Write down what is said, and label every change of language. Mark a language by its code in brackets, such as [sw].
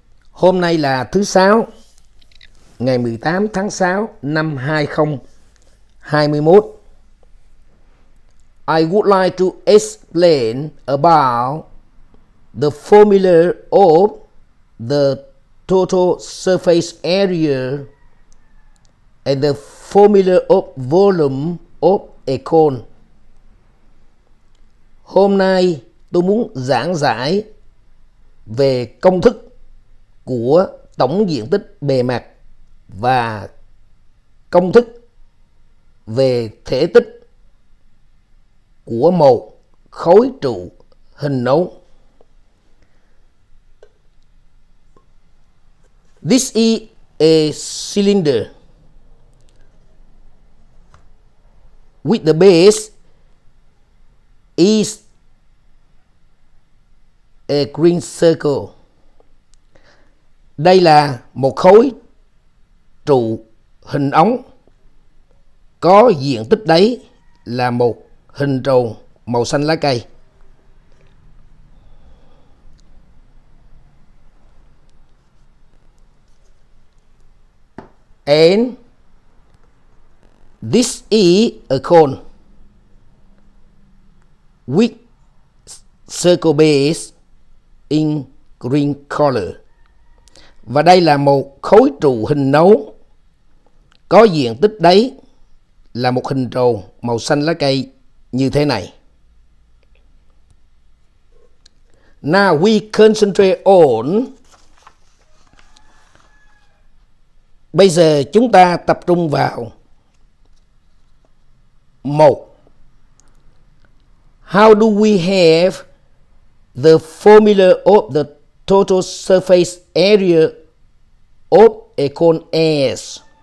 [vi] Hôm nay là thứ Sáu, ngày 18 tháng 6 năm 2021. [en] I would like to explain about the formula of the total surface area and the formula of volume of a cone. [vi] Hôm nay tôi muốn giảng giải về công thức của tổng diện tích bề mặt và công thức về thể tích của một khối trụ hình nấu. [en] This is a cylinder with the base is a green circle. [vi] Đây là một khối trụ hình ống có diện tích đáy là một hình tròn màu xanh lá cây. [en] And this is a cone with circle base in green color. [vi] Và đây là một khối trụ hình nấu có diện tích đáy là một hình tròn màu xanh lá cây như thế này. [en] Now we concentrate on. [vi] Bây giờ chúng ta tập trung vào một. [en] How do we have the formula of the total surface area of a cone S?